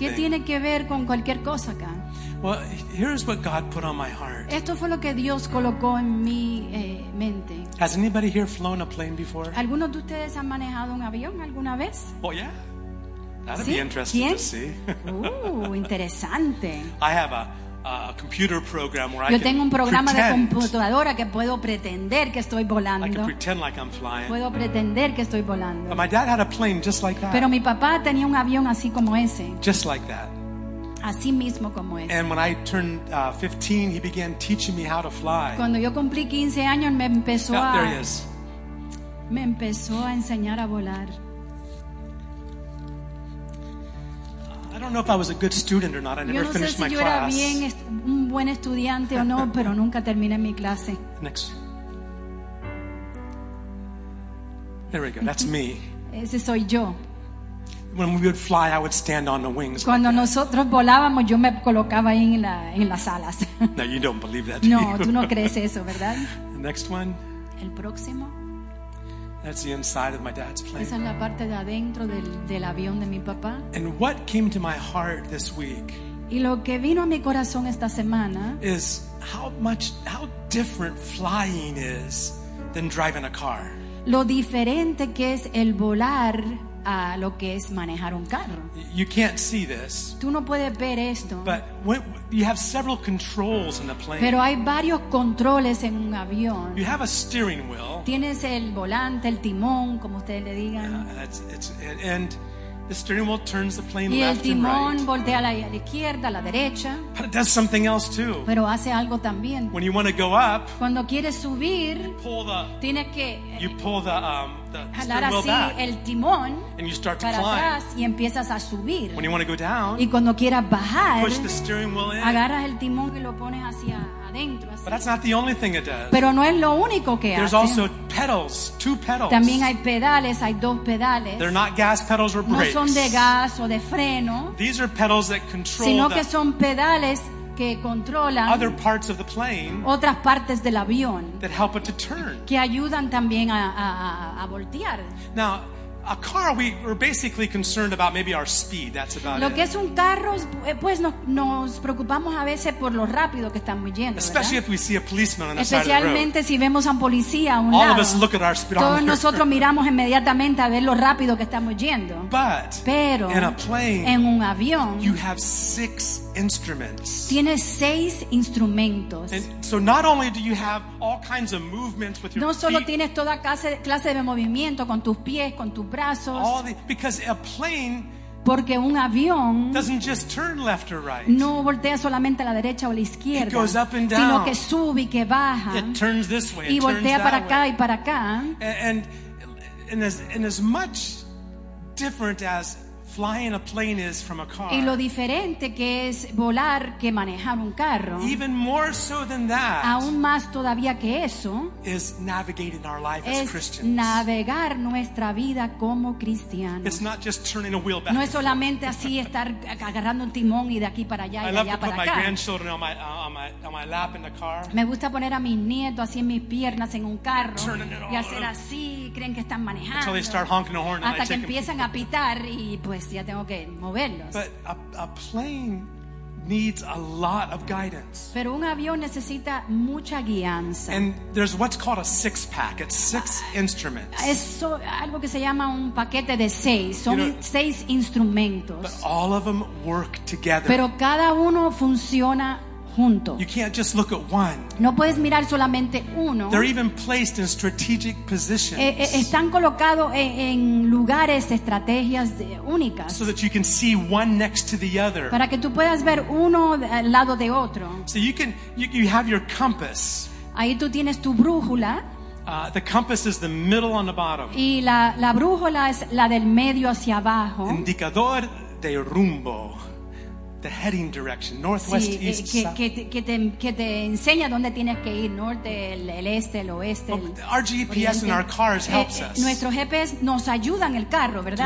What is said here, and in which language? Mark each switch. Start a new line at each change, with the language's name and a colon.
Spanish: ¿Qué tiene que ver con cualquier cosa acá?
English: Well, here's what God put on my heart.
Spanish: Esto fue lo que Dios colocó en mi mente.
English: Has anybody here flown a plane before?
Spanish: ¿Alguno de ustedes han manejado un avión alguna vez?
English: Oh, yeah. That'd
Spanish: ¿Sí?
English: be interesting
Spanish: ¿Quién?
English: To see.
Spanish: Interesante.
English: I have a computer program where
Spanish: yo
English: I
Spanish: tengo
English: can
Spanish: un programa
English: pretend.
Spanish: De computadora que puedo pretender que estoy volando.
English: I can pretend like I'm flying.
Spanish: Puedo pretender que estoy volando.
English: But my dad had a plane just like that.
Spanish: Pero mi papá tenía un avión así como ese.
English: Just like that.
Spanish: Así mismo como ese.
English: And when I turned 15, he began teaching me how to fly.
Spanish: Cuando yo cumplí 15 años me empezó
English: oh,
Spanish: a
English: there he is.
Spanish: Me empezó a enseñar a volar.
English: I don't don't know if I was a good student or not. I never finished my class.
Spanish: Bien, un buen estudiante o no, pero nunca terminé mi clase.
English: Next. There we go. That's me.
Spanish: Ese soy yo.
English: When we would fly, I would stand on the wings.
Spanish: Cuando nosotros volábamos, yo me colocaba ahí en las alas.
English: No, you don't believe that.
Spanish: No, tú no crees eso, ¿verdad?
English: The next one.
Spanish: El próximo.
English: That's the inside of my dad's plane.
Spanish: Esa es la parte de adentro del avión de mi papá.
English: And what came to my heart this week?
Spanish: Y lo que vino a mi corazón esta semana
English: is how different flying is than driving a car.
Spanish: Lo diferente que es el volar a lo que es manejar un carro.
English: You can't see this.
Spanish: Tú no puedes ver esto.
English: But you have several controls in a plane.
Spanish: Pero hay varios controles en un avión.
English: You have a steering wheel.
Spanish: Tienes el volante, el timón, como ustedes le digan.
English: And the steering wheel turns the plane left right.
Spanish: Y el timón voltea a la izquierda, a la derecha.
English: But it does something else too.
Spanish: Pero hace algo también.
English: When you want to go up,
Spanish: cuando quieres subir, jalar así el timón,
English: and you start to
Spanish: para
English: climb.
Spanish: Atrás y empiezas a subir.
English: When you want to go down,
Spanish: y cuando quieras bajar,
English: push the steering wheel in.
Spanish: Agarras el timón y lo pones hacia adentro.
English: But that's not the only thing it does.
Spanish: Pero no es lo único que
English: there's
Spanish: hace.
English: Also pedals, two pedals.
Spanish: También hay dos pedales.
English: They're not gas pedals or brakes.
Spanish: No son de gas o de freno.
English: These are pedals that control
Spanish: sino que son pedales que controlan
English: other parts of the plane,
Spanish: otras partes del avión
English: that help it to turn.
Spanish: Que ayudan también a voltear.
English: Now, a car, we're basically concerned about maybe our speed. That's about it.
Spanish: Lo que es un carro, pues nos preocupamos a veces por lo rápido que estamos yendo.
English: Especially if we see a policeman on the
Spanish: especialmente
English: side of the road.
Spanish: Si vemos a un policía a un
English: all
Spanish: lado.
English: Of us look at our speedometer.
Spanish: Todos nosotros miramos inmediatamente a ver lo rápido que estamos yendo.
English: But
Spanish: pero
English: in a plane,
Spanish: en un avión,
English: you have six instruments.
Spanish: Tienes seis instrumentos.
English: And so not only do you have all kinds of movements with your
Spanish: no solo
English: feet,
Spanish: tienes toda clase de movimiento con tus pies, con tus brazos.
English: All the, because a plane,
Spanish: porque un avión
English: doesn't just turn left or right.
Spanish: No voltea solamente a la derecha o a la izquierda.
English: It goes up and down.
Spanish: Sino que sube y que baja.
English: It turns this way,
Spanish: y voltea
English: turns
Spanish: para
English: that
Spanish: acá y para acá.
English: And as much different as flying a plane is from a car.
Spanish: Y lo diferente que es volar que manejar un carro.
English: Even more so than that.
Spanish: Aún más todavía que eso.
English: Is navigating our life as Christians.
Spanish: Es navegar nuestra vida como cristianos.
English: It's not just turning a wheel back.
Spanish: No es solamente así estar agarrando un timón y de aquí para allá y de allá para acá.
English: I love to put my grandchildren on my lap in the car.
Spanish: Me gusta poner a mis nietos así en mis piernas en un carro
English: turning
Spanish: y hacer así, creen que están manejando.
English: Until they start honking a horn.
Spanish: Hasta que empiezan a pitar y pues ya tengo que moverlos.
English: But a plane needs a lot of guidance.
Spanish: Pero un avión necesita mucha guianza.
English: And there's what's called a six pack. It's six instruments.
Spanish: Eso algo que se llama un paquete de seis. Son seis instrumentos.
English: But all of them work together.
Spanish: Pero cada uno funciona junto.
English: You can't just look at one.
Spanish: No puedes mirar solamente uno.
English: They're even placed in strategic positions.
Spanish: Están colocados en lugares, estrategias únicas.
English: So that you can see one next to the other.
Spanish: Para que tú puedas ver uno al lado de otro.
English: So you have your compass.
Spanish: Ahí tú tienes tu brújula.
English: The compass is the middle on the bottom.
Spanish: Y la brújula es la del medio hacia abajo. Indicador de rumbo.
English: The heading direction, northwest,
Spanish: sí,
English: east,
Spanish: que te enseña dónde tienes que ir, norte, el este, el oeste.
English: Well, our GPS in our cars helps us.
Spanish: Nuestro GPS nos ayuda en el carro, ¿verdad?